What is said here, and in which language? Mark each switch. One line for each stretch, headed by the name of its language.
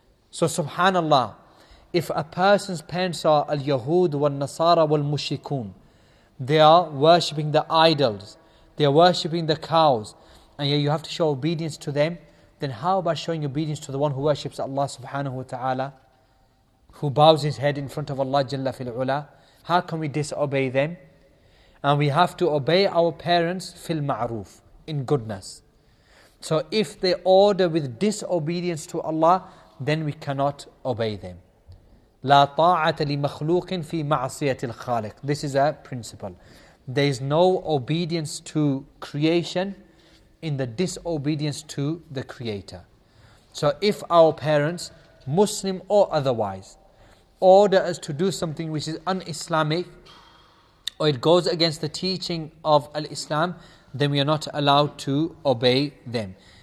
English: So subhanallah, if a person's parents are al-yahud wal-nasara wal-mushrikun, they are worshipping the idols, they are worshipping the cows, and yet you have to show obedience to them, then how about showing obedience to the one who worships Allah subhanahu wa ta'ala, who bows his head in front of Allah jalla fil-ula? How can we disobey them? And we have to obey our parents fil-ma'roof, in goodness. So if they order with disobedience to Allah, then we cannot obey them.
Arabic: لا طاعة لمخلوق في معصية الخالق.
English: This is a principle. There is no obedience to creation in the disobedience to the Creator. So if our parents, Muslim or otherwise, order us to do something which is un-Islamic or it goes against the teaching of Al-Islam, then we are not allowed to obey them.